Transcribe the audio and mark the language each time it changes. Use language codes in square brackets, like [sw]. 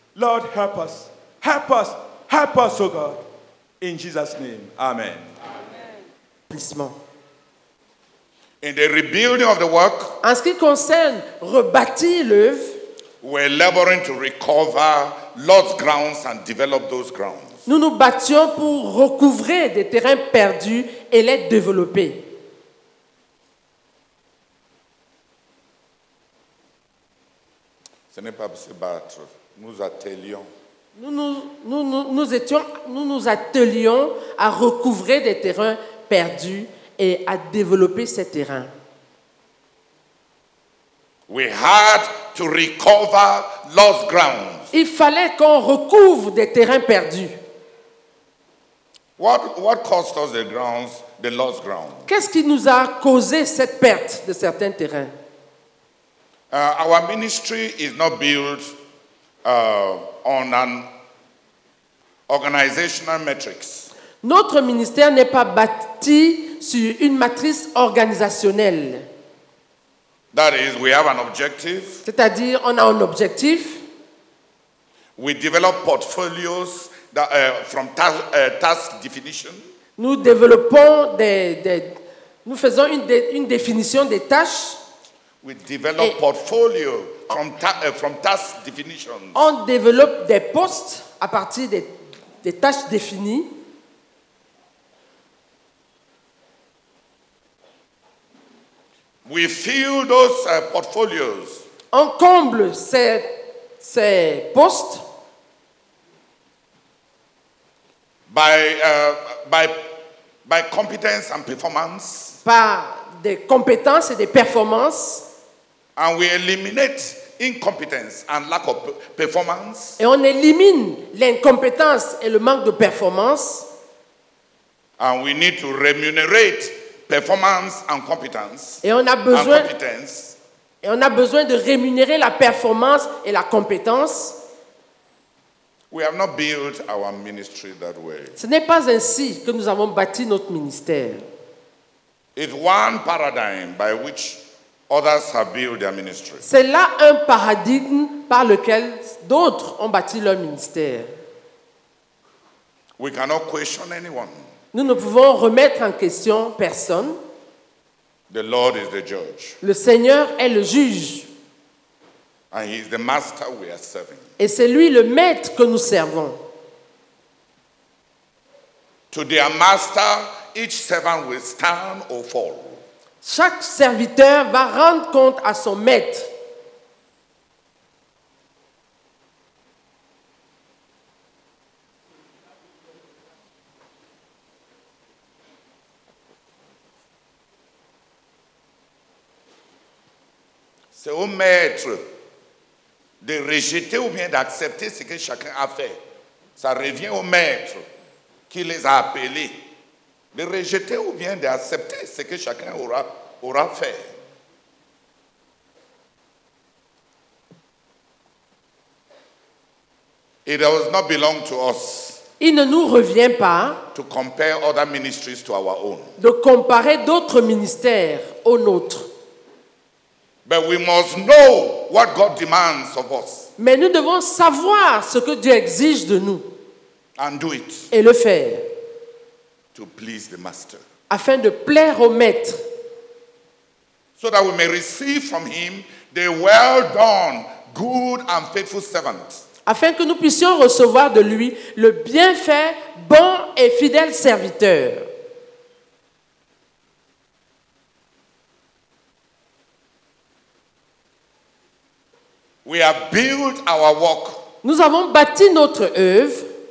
[en] Lord, help us. Help us. Help us, O God. In Jesus' name. Amen. Amen. In the rebuilding of the work, [fr] en ce qui concerne rebâtir l'œuvre, [en] we're laboring to recover lost grounds and develop those grounds. [fr] Nous nous battions pour recouvrer des terrains perdus et les développer. Ce n'est pas se battre, nous attelions. Nous nous attelions à recouvrer des terrains perdus et à développer ces terrains. [en] We had to recover lost grounds. [fr] Il fallait qu'on recouvre des terrains perdus. [en] What caused us the grounds, the lost ground? [fr] Qu'est-ce qui nous a causé cette perte de certains terrains? [en] Our ministry is not built on an organizational metrics. [fr] Notre ministère n'est pas bâti sur une matrice organisationnelle. [en] That is, we have an objective. [fr] C'est-à-dire, on a un objectif. [en] We develop portfolios that, from task definition. [fr] Nous développons nous faisons une définition des tâches. [en] We develop portfolio from task definitions. [fr] On développe des postes à partir des tâches définies. [en] We fill those portfolios. [fr] On comble ces postes [en] by competence and performance. [fr] Par des compétences et des performances. [en] And we eliminate incompetence and lack of performance. [fr] Et on élimine l'incompétence et le manque de performance. [en] And we need to remunerate performance and competence. [fr] Et on a besoin de rémunérer la performance et la compétence. [en] We have not built our ministry that way. [fr] Ce n'est pas ainsi que nous avons bâti notre ministère. [en] It's one paradigm by which others have built their ministry. [fr] C'est là un paradigme par lequel d'autres ont bâti leur ministère. [en] We cannot question anyone. [fr] Nous ne pouvons remettre en question personne. [en] The Lord is the judge. [fr] Le Seigneur est le juge. [en] And he is the master we are serving. [fr] Et c'est lui le maître que nous servons. [en] To their master, each servant will stand or fall. [fr] Chaque serviteur va rendre compte à son maître. C'est au maître de rejeter ou bien d'accepter ce que chacun a fait. Ça revient au maître qui les a appelés de rejeter ou bien d'accepter ce que chacun aura fait. [en] It does not belong to us. [fr] Il ne nous revient pas [en] to compare other ministries to our own. [fr] De comparer d'autres ministères aux nôtres. [en] But we must know what God demands of us. [fr] Mais nous devons savoir ce que Dieu exige de nous. [en] And do it. [fr] Et le faire. [en] To please the master. [fr] Afin de plaire au maître. [en] So that we may receive from him the well done, good and faithful servant. [fr] Afin que nous puissions recevoir de lui le bien fait, bon et fidèle serviteur. [en] We have built our work. [fr] Nous avons bâti notre œuvre